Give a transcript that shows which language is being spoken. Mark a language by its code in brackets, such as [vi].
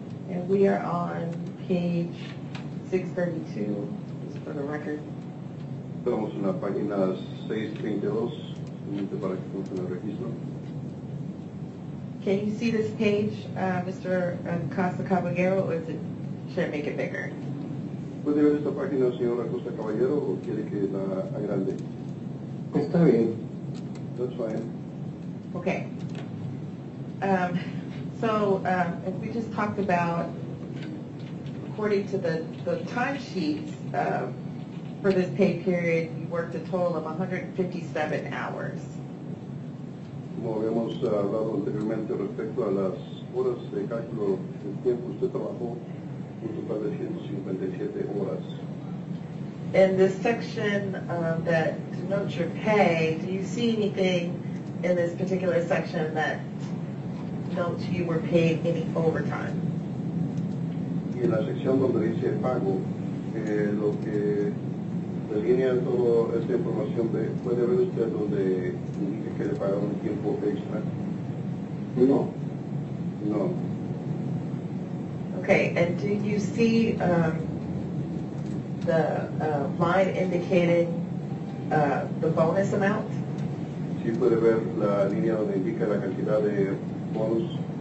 [en] And we are on page 632, just for the record. [es] Estamos en la página 632, simplemente para que funcione el registro. [en] Can you see this page, Mr. Acosta Caballero, or is it, should I make it bigger? [es] ¿Puede ver esta página, señor Acosta Caballero, o quiere que la agrande? Está bien. [en] That's fine. Okay. If we just talked about, according to the timesheets, for this pay period, you worked a total of 157 hours. [es] Como habíamos hablado anteriormente respecto a las horas de cálculo del tiempo, usted trabajó un total de 157 horas. [en] In this section that denotes your pay, do you see anything in this particular section that denotes you were paid any overtime? [es] Y en la sección donde dice pago, lo que delinea toda esta información, ¿puede ver usted donde indica que le pagaron un tiempo extra? No. [en] No. Okay, and do you see the line indicating the bonus amount? [es] Sí, puede ver la línea donde indica la cantidad de bonus.